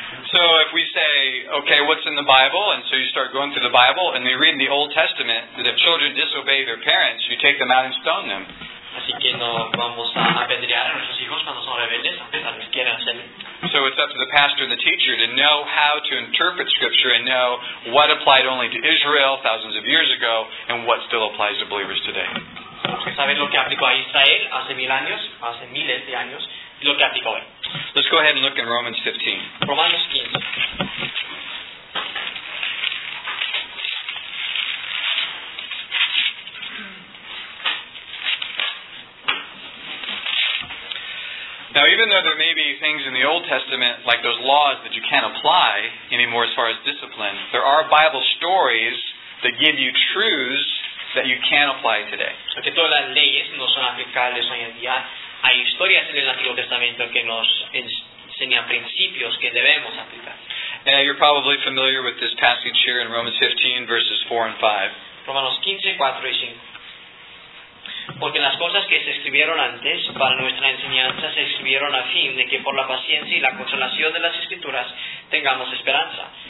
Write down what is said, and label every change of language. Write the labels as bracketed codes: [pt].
[en] So if we say, okay, what's in the Bible? And so you start going through the Bible and you read in the Old Testament that if children disobey their parents, you take them out and stone them. [es] Así que no vamos a apedrear a nuestros hijos cuando son rebeldes, aunque tal vez quieran hacerlo. [en] So it's up to the pastor and the teacher to know how to interpret Scripture and know what applied only to Israel thousands of years ago and what still applies to believers today. [es] Tenemos que saber lo que aplicó a Israel hace miles de años, y lo que aplicó hoy. [en] Let's go ahead and look in Romans 15. [es] Romanos 15. [en] Now, even though there may be things in the Old Testament, like those laws that you can't apply anymore as far as discipline, there are Bible stories that give you truths that you can apply today. [es] Porque todas las leyes no son aplicables hoy en día. Hay historias en el Antiguo Testamento que nos enseñan principios que debemos aplicar. [en] You're probably familiar with this passage here in Romans 15, verses 4 and 5. [es] Romanos 15, 4 y 5. Porque las cosas que se escribieron antes para nuestra enseñanza se escribieron a fin de que por la paciencia y la consolación de las Escrituras tengamos esperanza.